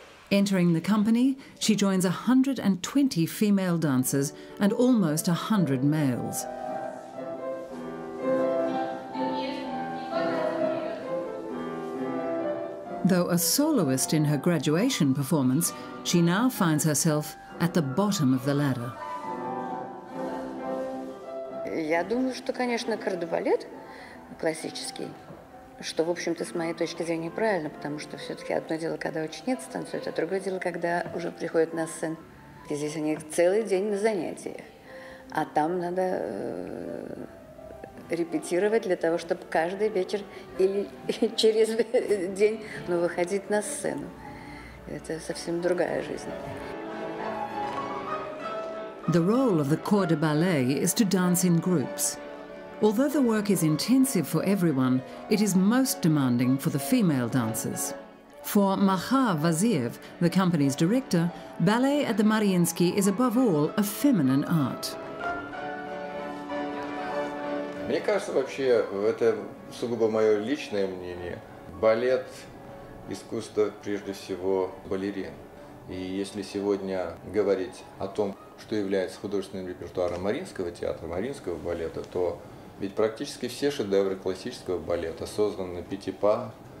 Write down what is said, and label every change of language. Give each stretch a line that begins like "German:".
English: Entering the company, she joins 120 female dancers and almost 100 males. Though a soloist in her graduation performance, she now finds herself at the bottom of the ladder.
Russian: Я думаю, что, конечно, кардебалет классический, что, в общем-то, с моей точки зрения, правильно, потому что все-таки одно дело, когда ученицы танцуют, а другое дело, когда уже приходят на сцену. И здесь они целый день на занятиях, а там надо репетировать для того, чтобы каждый вечер или через день выходить на сцену. Это совсем другая жизнь.
English: The role of the corps de ballet is to dance in groups. Although the work is intensive for everyone, it is most demanding for the female dancers. For Maha Vaziev, the company's director, ballet at the Mariinsky is above all a feminine art.
Russian: Мне кажется, вообще, это сугубо мое личное мнение, балет – искусство, прежде всего, балерин. И если сегодня говорить о том, что является художественным репертуаром Мариинского театра, Мариинского балета, то ведь практически все шедевры классического балета созданы Петипа